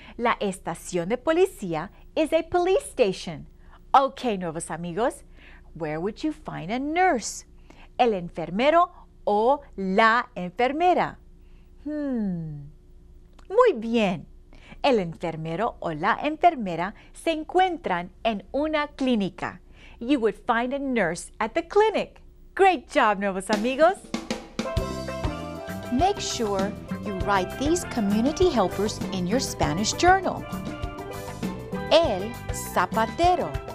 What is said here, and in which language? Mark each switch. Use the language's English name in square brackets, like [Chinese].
[Spanish] La estación de policía [English] is a police station. Okay, [Spanish] nuevos amigos, [English] where would you find a nurse? [Spanish] El enfermero o la enfermera. Muy bien. El enfermero o la enfermera se encuentran en una clínica. [English] You would find a nurse at the clinic. Great job, [Spanish] nuevos amigos. [English] Make sure you write these community helpers in your Spanish journal. [Spanish] El zapatero.